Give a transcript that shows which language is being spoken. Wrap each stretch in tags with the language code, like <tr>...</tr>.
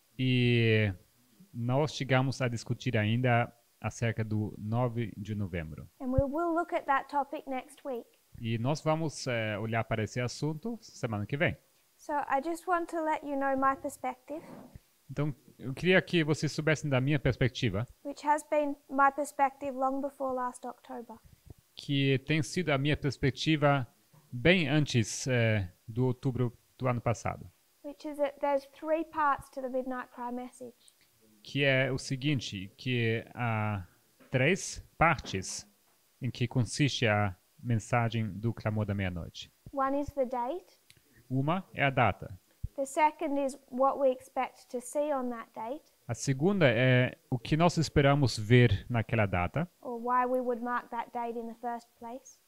<pt>E nós chegamos a discutir ainda acerca do 9 de novembro.</pt> <en>And we will look at that topic next week.</en> <pt>E nós vamos olhar para esse assunto semana que vem.</pt> <en>So I just want to let you know my perspective.</en> <pt>Então, eu queria que vocês soubessem da minha perspectiva.</pt> <en>Which has been my perspective long before last October.</en> <pt>Que tem sido a minha perspectiva bem antes do outubro do ano passado.</pt> <en>Which is that there's three parts to the Midnight Cry message.</en> <pt>Que é o seguinte, que há três partes em que consiste a mensagem do clamor da meia-noite.</pt> <en>One is the date.</en> <pt>Uma é a data.</pt> <en>The second is what we expect to see on that date.</en> <pt>A segunda é o que nós esperamos ver naquela data.</pt> <en>Or why we would mark that date in the first place.</en>